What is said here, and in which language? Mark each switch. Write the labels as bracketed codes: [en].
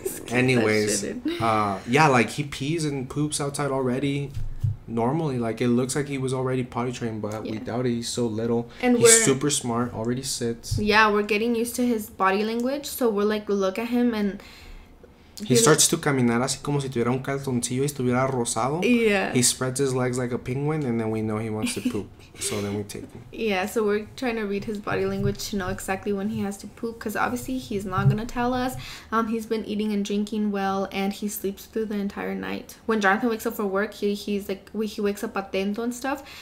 [en] Anyways, yeah, like, he pees and poops outside already. Normally, like, it looks like he was already potty trained, but yeah. We doubt it. He's so little. And he's super smart, already sits. Yeah, we're getting used to his body language, so we're like, look at him and... He starts to [es] caminar así como si tuviera un calzoncillo y estuviera rosado. [en] Yeah. He spreads his legs like a penguin, and then we know he wants to poop. So then we take him. Yeah, so we're trying to read his body language to know exactly when he has to poop, because obviously he's not going to tell us. He's been eating and drinking well, and he sleeps through the entire night. When Jonathan wakes up for work, he wakes up atento and stuff.